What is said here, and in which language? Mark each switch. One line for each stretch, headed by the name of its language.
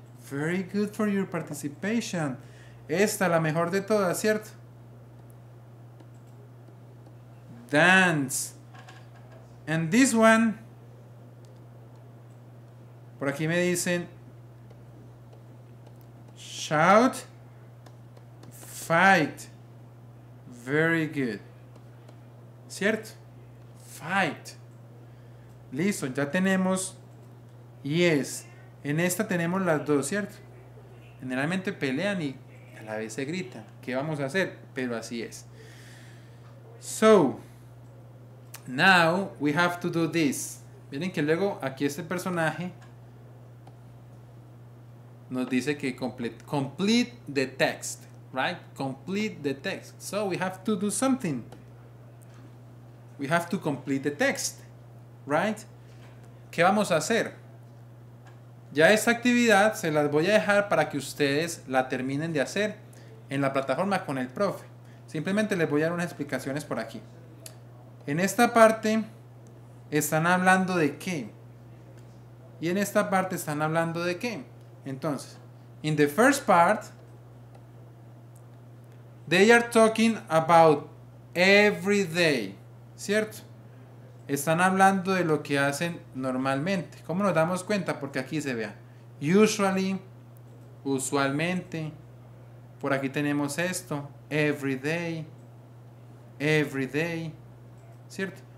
English: Very good for your participation.
Spanish: Esta la mejor de todas, ¿cierto?
English: Dance. And this one.
Spanish: Por aquí me dicen.
English: Shout. Fight. Very good. ¿Cierto? Fight.
Spanish: Listo, ya tenemos. Yes. En esta tenemos las dos, ¿cierto? Generalmente pelean y a la vez se gritan. ¿Qué vamos a hacer? Pero así es.
English: So, now we have to do this.
Spanish: Miren que luego aquí este personaje nos dice que
English: complete the text, right? Complete the text. So we have to do something. We have to complete the text, right?
Spanish: ¿Qué vamos a hacer? Ya esta actividad se las voy a dejar para que ustedes la terminen de hacer en la plataforma con el profe. Simplemente les voy a dar unas explicaciones por aquí. En esta parte están hablando de qué. Y en esta parte están hablando de qué.
English: Entonces, in the first part, they are talking about every day.
Spanish: ¿Cierto? Están hablando de lo que hacen normalmente. ¿Cómo nos damos cuenta? Porque aquí se vea. Usually, usualmente. Por aquí tenemos esto.
English: Every day. Every day.
Spanish: ¿Cierto?